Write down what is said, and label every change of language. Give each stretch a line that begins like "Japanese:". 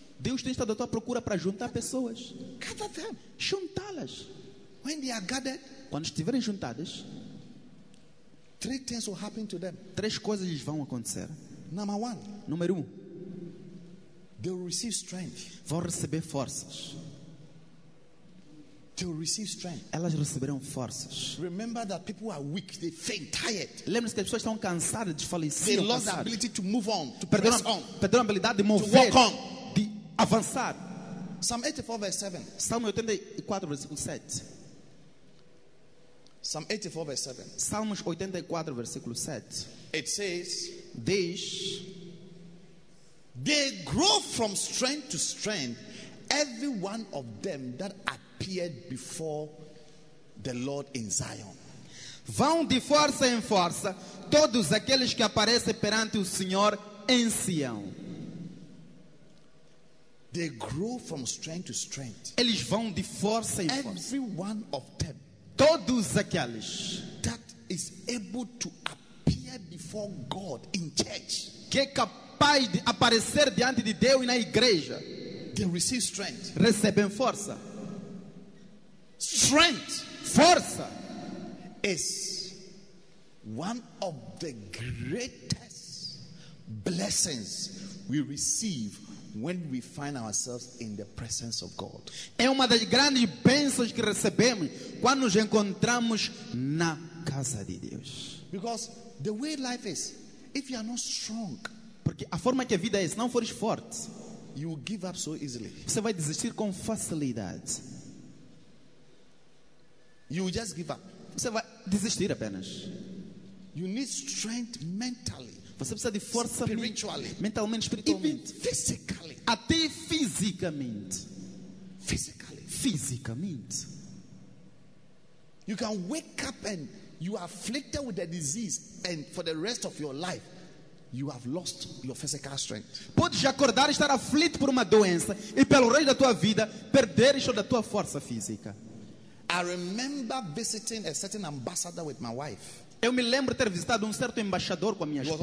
Portuguese: Deus tem estado à tua procura para juntar pessoas.
English: Gather them.
Portuguese: Juntá-las.
English: When they are gathered,
Portuguese: quando estiverem juntadas,
English: Three things will happen to them.
Portuguese: Três coisas lhes vão acontecer.
English: Number one.
Portuguese: Número um.
English: They will receive strength.
Portuguese: Vão receber forças.
English: They will receive strength.
Portuguese: Elas receberão forças.
English: Remember that people are weak, they faint, tired.
Portuguese: Lembre-se que as pessoas estão cansadas, desfalecidas.
English: They lost the ability to move on, to press on.
Portuguese: Perderam a habilidade de mover,
English: to walk on,
Portuguese: de avançar.
English: Psalm 84 verse 7.
Portuguese: Salmo 84 versículo 7.
English: Psalm 84 verse 7.
Portuguese: Salmos 84 versículo 7.
English: It says,
Portuguese: "Deis,
English: they grow from strength to strength, every one of them that appeared before the Lord in Zion."
Portuguese: Vão de força em força todos aqueles que aparecem perante o Senhor em Sião.
English: They grow from strength to strength.
Portuguese: Eles vão de força em força.
English: Every one of them.
Portuguese: Todos aqueles
English: that is able to appear before God in church,
Portuguese: que é capaz de aparecer diante de Deus na igreja,
English: they receive strength.
Portuguese: Recebem força.
English: Strength,
Portuguese: força,
English: is one of the greatest blessings we receive when we find ourselves in the presence of God.
Portuguese: É uma das grandes bênçãos que recebemos quando nos encontramos na casa de Deus.
English: Because the way life is, if you are not strong,
Portuguese: porque a forma que a vida é, se não fores forte,
English: you will give up so easily.
Portuguese: Você vai desistir com facilidade.
English: You will just give up.
Portuguese: Você vai desistir apenas.
English: You need strength mentally.
Portuguese: Você precisa de força
English: spiritually,
Portuguese: mentalmente, espiritualmente,
English: even physically.
Portuguese: Até fisicamente.
English: Physically.
Portuguese: Fisicamente.
English: You can wake up and you are afflicted with a disease, and for the rest of your life, you have lost your physical strength.
Portuguese: Podes acordar e estar aflito por uma doença e pelo resto da tua vida perderes toda a tua força física.
English: I remember visiting a certain ambassador with my wife.
Portuguese: Eu me lembro ter visitado certo embaixador com a minha esposa.